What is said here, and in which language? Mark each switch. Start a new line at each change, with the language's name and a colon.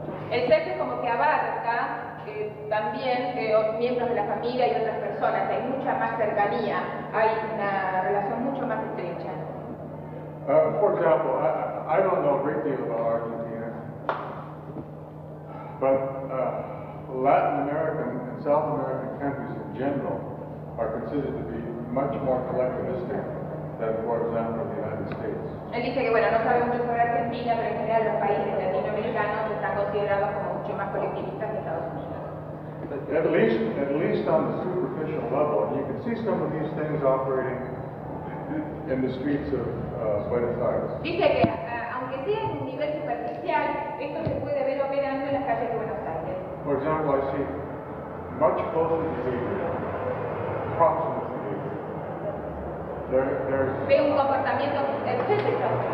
Spanish: El ser es como que abarca también miembros de la familia y otras personas. Hay mucha más cercanía. Hay una relación mucho más estrecha.
English: For example, I don't know a great deal about Argentina, but Latin American and South American countries in general are considered to be much more collectivistic than, for example, the United States.
Spanish: Él dice que bueno, no sabe mucho sobre Argentina, pero en general los países latinoamericanos están considerados como mucho más colectivistas que Estados Unidos.
English: At least on the superficial level, you can see some of these things operating in the streets of Buenos Aires.
Spanish: Dice que aunque sea en un nivel superficial, esto se puede ver operando en las calles de Buenos Aires.
English: For example, I see much closer behavior, proximate behavior. There's
Spanish: ve un comportamiento físico.